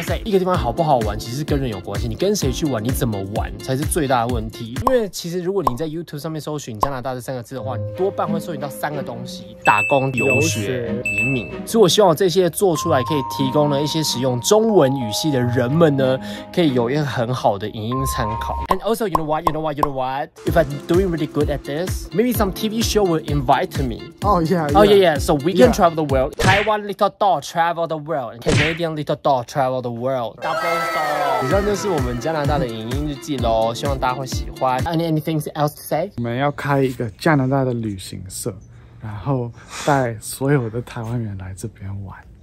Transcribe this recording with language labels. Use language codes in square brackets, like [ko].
[zh] 一个地方好不好玩其实跟人有关系，你跟谁去玩，你怎么玩才是最大的问题。因为其实如果你在 YouTube 上面搜寻加拿大这三个字的话，你多半会搜寻到三个东西：打工、游学、移民。所以我希望这些做出来可以提供了一些使用中文语系的人们呢，可以有一个很好的影音参考。 [en] And also you know what, you know what, you know what, if I'm doing really good at this, maybe some TV show will invite me. Oh yeah. So we can travel the world. Taiwan little dog travel the world. Canadian little dog travel the world. Double star. [zh] 以上就是我们加拿大的影音日记咯，希望大家会喜欢。 [en] Anything else to say? [zh] 我们要开一个加拿大的旅行社，然后带所有的台湾人来这边玩。